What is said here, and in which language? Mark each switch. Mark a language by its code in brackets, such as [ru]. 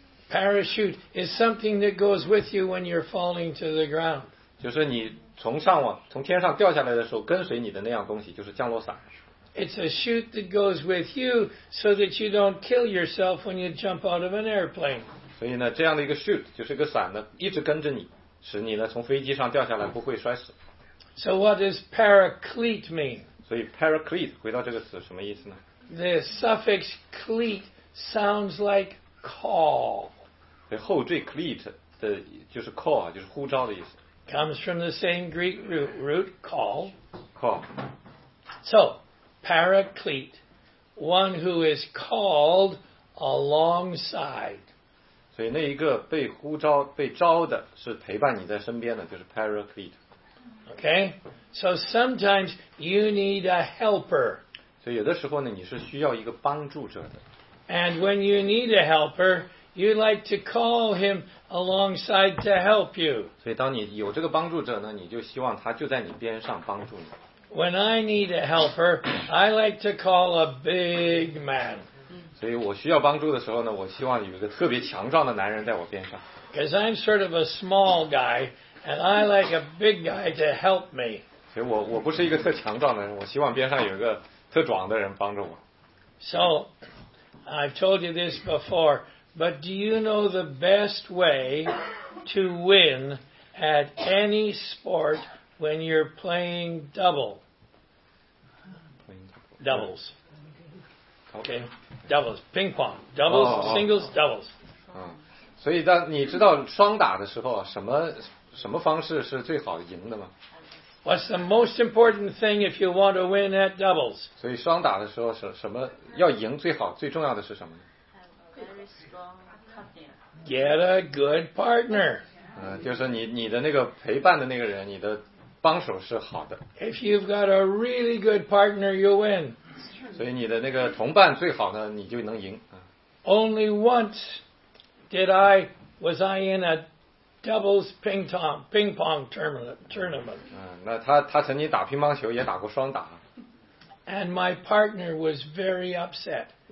[en] ？Parachute is something that goes with you when you're falling to the ground. [zh] 就是你。从上往从天上掉下来的时候跟随你的那样东西就是降落伞。 [en] It's a chute that goes with you so that you don't kill yourself when you jump out of an airplane. [zh] 所以呢这样的一个 chute 就是一个伞呢一直跟着你使你呢从飞机上掉下来不会摔死。 [en] So what does paraclete mean? [zh] 所以 paraclete 回到这个词什么意思呢 [en] ?The suffix clete sounds like call. [zh] 所以后缀 clete 的就是 call, 就是呼召的意思。 [en] Comes from the same Greek root call. Call. So, paraclete, one who is called alongside. [zh] 所以那一个被呼召、被召的是陪伴你在身边的，就是 paraclete. [en] Okay. So sometimes you need a helper. [zh] 所以有的时候呢，你是需要一个帮助者的。 [en] And when you need a helper. You like to call him alongside to help you. [zh] 所以当你有这个帮助者呢，你就希望他就在你边上帮助你。 [en] When I need a helper, I like to call a big man. [zh] 所以我需要帮助的时候呢，我希望有一个特别强壮的男人在我边上。 [en] Because I'm sort of a small guy, and I like a big guy to help me. [zh] 所以我不是一个特强壮的人，我希望边上有一个特壮的人帮助我。 [en] So, I've told you this before. But do you know the best way to win at any sport when you're playing doubles? Okay, doubles, ping pong, doubles, singles, doubles. [zh] 所以当你知道双打的时候，什么方式是最好赢的吗 [en] What's the most important thing if you want to win at doubles? [zh] 所以双打的时候什么要赢最好最重要的是什么呢 [en] Have a very strong partner. Get a good partner. [zh] 就是你的那个陪伴的那个人你的帮手是好的。 [en] If you've got a really good partner, you'll win. [zh] 所以你的那个同伴最好呢你就能赢。 [en] Only once did I, was I in a doubles ping pong tournament. [zh] 那他曾经打乒乓球也打过双打。 [en] And my partner was very upset.